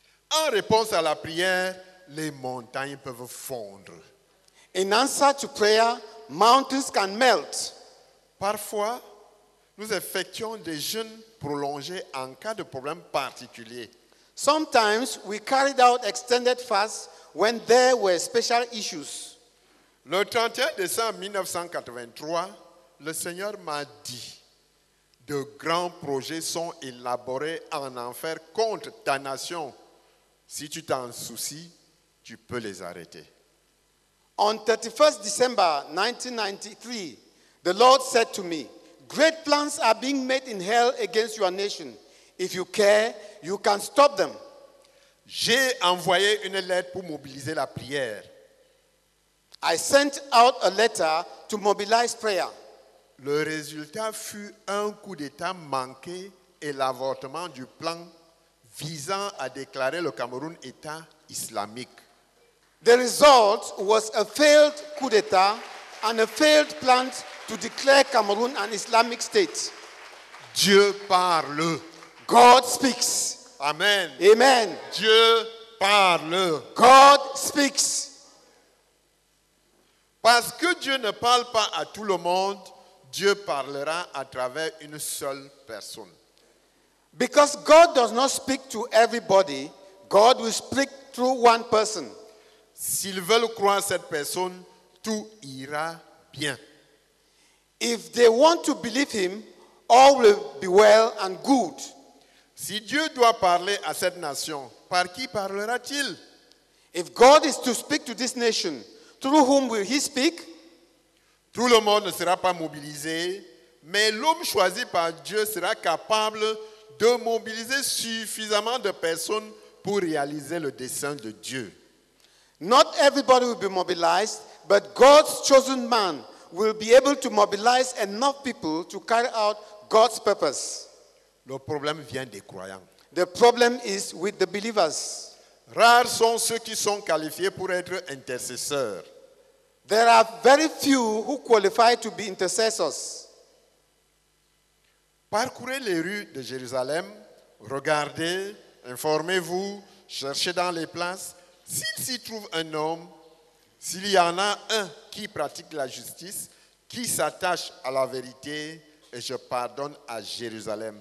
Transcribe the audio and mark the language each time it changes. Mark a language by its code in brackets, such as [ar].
[fr] En réponse à la prière, les montagnes peuvent fondre. [en] In answer to prayer, mountains can melt. [fr] Parfois, nous effectuons des jeûnes prolongés en cas de problème particulier. [en] Sometimes we carried out extended fasts when there were special issues. [fr] Le 31 décembre 1983, le Seigneur m'a dit, de grands projets sont élaborés en enfer contre ta nation. Si tu t'en soucies, tu peux les arrêter. [en] On 31st December 1993, the Lord said to me, great plans are being made in hell against your nation. If you care, you can stop them. [fr] J'ai envoyé une lettre pour mobiliser la prière. [en] I sent out a letter to mobilize prayer. [fr] Le résultat fut un coup d'état manqué et l'avortement du plan visant à déclarer le Cameroun État islamique. [en] The result was a failed coup d'état and a failed plan to declare Cameroon an Islamic state. [fr] Dieu parle. [en] God speaks. Amen. Amen. [fr] Dieu parle. [en] God speaks. [fr] Parce que Dieu ne parle pas à tout le monde, Dieu parlera à travers une seule personne. [en] Because God does not speak to everybody, God will speak through one person. [fr] S'ils veulent croire cette personne, tout ira bien. [en] If they want to believe him, all will be well and good. [fr] Si Dieu doit parler à cette nation, par qui parlera-t-il? [en] If God is to speak to this nation, through whom will he speak? [fr] Tout le monde ne sera pas mobilisé, mais l'homme choisi par Dieu sera capable de mobiliser suffisamment de personnes pour réaliser le dessein de Dieu. [en] Not everybody will be mobilized, but God's chosen man will be able to mobilize enough people to carry out God's purpose. [fr] Le problème vient des croyants. [en] The problem is with the believers. [fr] Rares sont ceux qui sont qualifiés pour être intercesseurs. [en] There are very few who qualify to be intercessors. [fr] Parcourez les rues de Jérusalem, regardez, informez-vous, cherchez dans les places. S'il s'y trouve un homme, s'il y en a un qui pratique la justice, qui s'attache à la vérité, et je pardonne à Jérusalem.